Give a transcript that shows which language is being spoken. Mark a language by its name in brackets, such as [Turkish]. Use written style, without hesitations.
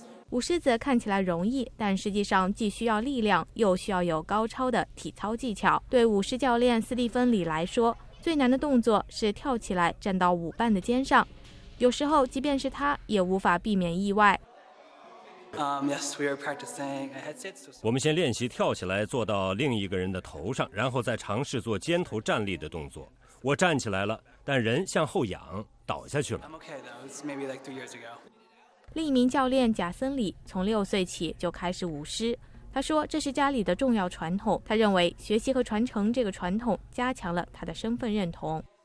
[Chinese] 舞狮子看起来容易，但实际上既需要力量，又需要有高超的体操技巧。对舞狮教练斯蒂芬·李来说，最难的动作是跳起来站到舞伴的肩上，有时候即便是他也无法避免意外。 [English] Yes, we are practicing a headset. [Chinese] 我们先练习跳起来，坐到另一个人的头上，然后再尝试做肩头站立的动作。我站起来了，但人向后仰，倒下去了。 [English] I'm okay though. It's maybe like 3 years ago. [Chinese] 另一名教练贾森里从6岁起就开始舞狮。他说这是家里的重要传统，他认为学习和传承这个传统加强了他的身份认同。